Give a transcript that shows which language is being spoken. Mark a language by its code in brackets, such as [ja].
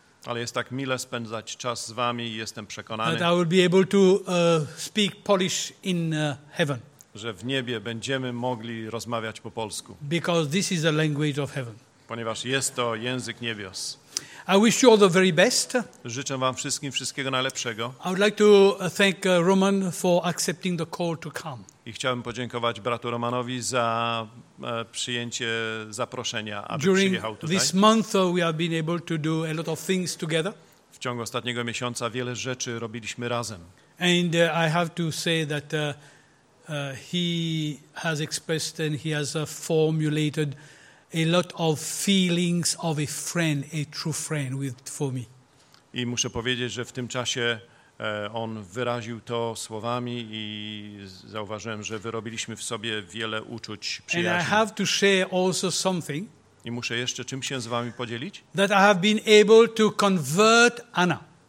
[pl] Ale jest tak mile spędzać czas z wami i jestem przekonany. [en] That I will be able to speak Polish in heaven. [pl] Że w niebie będziemy mogli rozmawiać po polsku. [en] Because this is the language of heaven. [pl] Ponieważ jest to język niebios. [en] I wish you all the very best. [pl] Życzę wam wszystkim wszystkiego najlepszego. [en] I would like to thank Roman for accepting the call to come. [pl] I chciałbym podziękować bratu Romanowi za przyjęcie zaproszenia, aby [en] During [pl] przyjechał tutaj. [en] This month we have been able to do a lot of things together. [pl] W ciągu ostatniego miesiąca wiele rzeczy robiliśmy razem. [en] And I have to say that he has expressed and he has formulated a lot of feelings of a friend, a true friend with for me. [pl] I muszę powiedzieć, że w tym czasie on wyraził to słowami i zauważyłem, że wyrobiliśmy w sobie wiele uczuć przyjaźni. [en] And I have to share also something. [pl] I muszę jeszcze czym się z wami podzielić? [en] That I have been able to convert Anna.